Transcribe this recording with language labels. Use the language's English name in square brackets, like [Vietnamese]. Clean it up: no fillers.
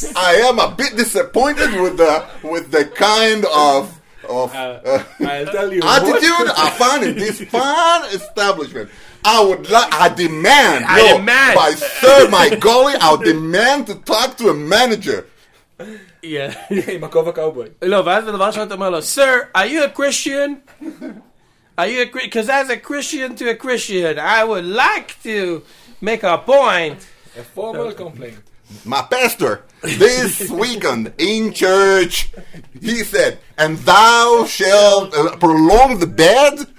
[English] I am a bit disappointed with the kind of I'll tell you attitude what. I find in this fine establishment. I demand. By sir, my golly, I demand to talk to a manager. Yeah, [Hebrew] עם הכובע קאובוי. לא, ואז הדבר שאתה אומר לו, [English] sir, are you a Christian? Because as a Christian to a Christian, I would like to make a point. A formal complaint. My pastor, this weekend in church, he said, and thou shalt prolong the bed?